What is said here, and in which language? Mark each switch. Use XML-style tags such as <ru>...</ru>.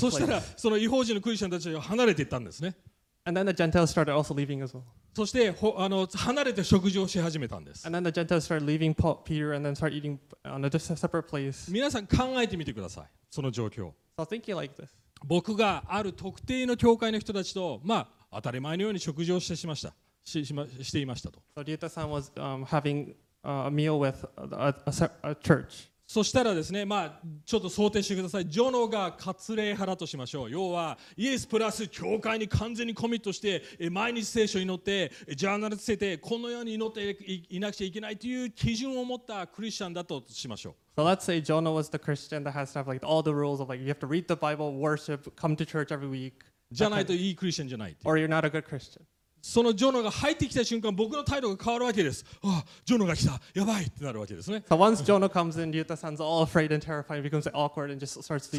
<ja>そしたらその異邦人のクリスチャンたちが離れていったんですね。</ja> <en>And then the Gentiles started also leaving as well.</en> <ja>そして離れて食事をし始めたんです。</ja> <en>And then the Gentiles started leaving Peter and then started eating on a separate place.</en> <ja>皆さん考えてみてください。その状況。</ja> <en>So thinking like this.</en> <ja>僕がある特定の教会の人たちと、まあ、当たり前のように食事をしてしました。していましたと。</ja> <en>So Ryuta san was having a meal with a church.</en> <ja>そしたらですね、まあ、ちょっと想定してください。ジョノが割礼派だとしましょう。要は、イエスプラス教会に完全にコミットして、毎日聖書に祈って、ジャーナルつけて、このように祈って いなくちゃいけないという基準を持ったクリスチャンだとしましょう。</ja> <en>So let's say Jono was the Christian that has to have like all the rules of like you have to read the Bible, worship, come to church every week.</en> <ja>じゃないといいクリスチャンじゃない。</ja> <en>Or you're not a good Christian.</en> <ja>そのジョノが入ってきた瞬間、僕の態度が変わるわけです。あ、ジョノが来た、やばいってなるわけですね。</ja> <en>So once Jono comes in, Ryuta san's all afraid and terrified, becomes awkward and just starts leaving.</en>